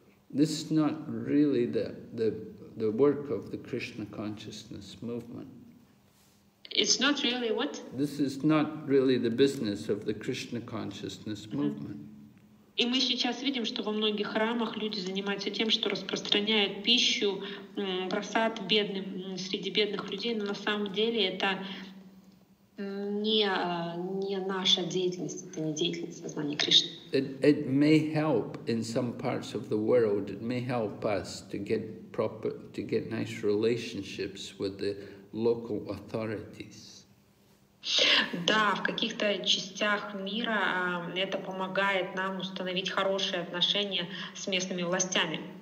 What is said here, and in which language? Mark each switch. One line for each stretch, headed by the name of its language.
English: This is not really the work of the Krishna consciousness movement. It's not really what? This is not really the business of the Krishna consciousness movement.
Russian: И мы сейчас видим, что во многих храмах люди занимаются тем, что распространяют пищу, просад бедным, среди бедных людей, но на самом деле это не наша деятельность, это не деятельность сознания Кришны.
English: It may help in some parts of the world, it may help us to get nice relationships with the local authorities.
Russian: Да, в каких-то частях мира это помогает нам установить хорошие отношения с местными властями.